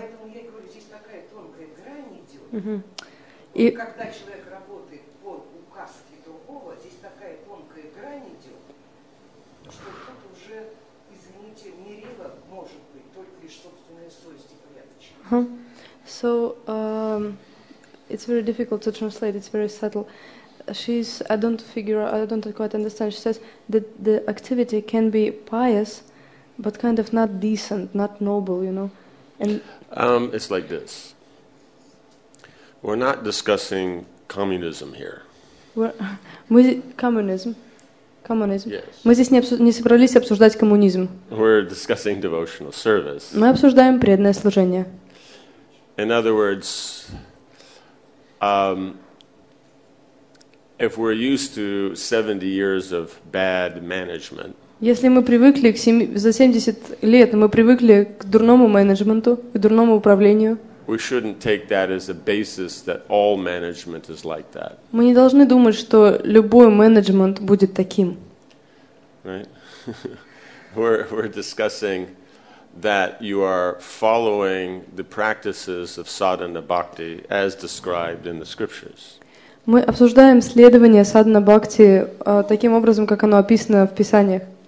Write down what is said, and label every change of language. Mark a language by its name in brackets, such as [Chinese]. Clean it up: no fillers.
[Russian] Поэтому я и говорю, здесь такая тонкая грань идет. Угу. Когда человек работает под указки другого, здесь такая тонкая грань идет, что тут уже, извините, мерило может быть только лишь собственная совесть и порядочная. [English] So, it's very difficult to translate, it's very subtle. I don't quite understand. She says that the activity can be pious, but kind of not decent, not noble, you know. And it's like this. We're not discussing communism here. [Russian] Мы здесь не собрались обсуждать коммунизм. [English] We're discussing devotional service. [Russian] Мы обсуждаем преданное служение. [English] In other words, if we're used to 70 years of bad management, [Russian] если мы привыкли к за 70 лет мы привыкли к дурному менеджменту, к дурному управлению. [English] We shouldn't take that as a basis that all management is like that. [Russian] Мы не должны думать, что любой менеджмент будет таким. [English] Right? we're discussing that you are following the practices of sadhana bhakti as described in the scriptures. [Russian] Мы обсуждаем следование садхана бхакти таким образом, как оно описано в писаниях.